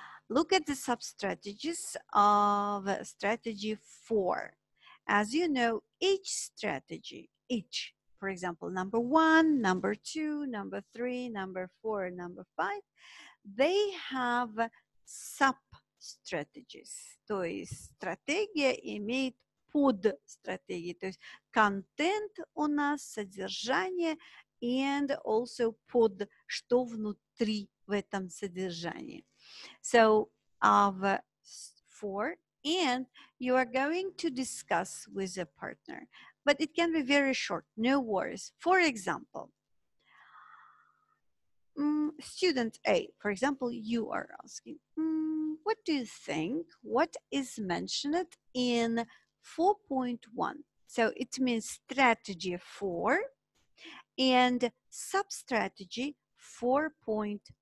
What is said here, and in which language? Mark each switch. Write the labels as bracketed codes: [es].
[en] Look at the sub-strategies of strategy 4. As you know, each strategy, each, for example, number 1, number 2, number 3, number 4, number 5, they have sub-strategies. [ru] То есть стратегия имеет подстратегии, то есть контент у нас, содержание, [en] and also [ru] под, что внутри в этом содержании. [en] So, of 4, and you are going to discuss with a partner, but it can be very short, no worries. For example, student A, for example, you are asking, what do you think, what is mentioned in 4.1, so it means strategy 4 and sub-strategy 4.1.